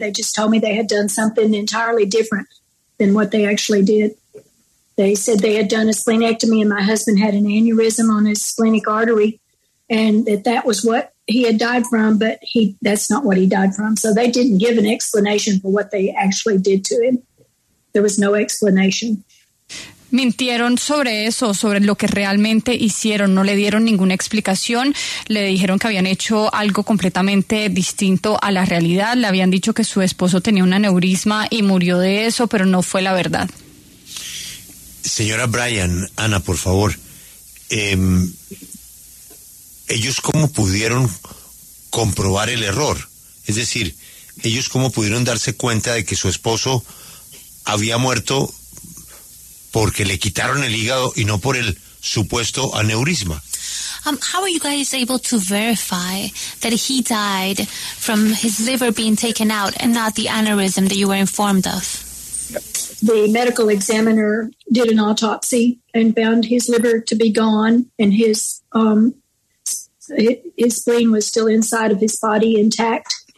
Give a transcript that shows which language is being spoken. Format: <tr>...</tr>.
<en>They just told me they had done something entirely different than what they actually did. They said they had done a splenectomy and my husband had an aneurysm on his splenic artery and that was what he had died from, but that's not what he died from. So they didn't give an explanation for what they actually did to him. There was no explanation.</en> <es>Mintieron sobre eso, sobre lo que realmente hicieron. No le dieron ninguna explicación. Le dijeron que habían hecho algo completamente distinto a la realidad. Le habían dicho que su esposo tenía un aneurisma y murió de eso, pero no fue la verdad. Señora Bryan, Ana, por favor. ¿Ellos cómo pudieron comprobar el error? Es decir, ¿ellos cómo pudieron darse cuenta de que su esposo había muerto porque le quitaron el hígado y no por el supuesto aneurisma?</es> <en>How are you guys able to verify that he died from his liver being taken out and not the aneurysm that you were informed of? The medical examiner did an autopsy and found his liver to be gone and his spleen was still inside of his body intact.</en>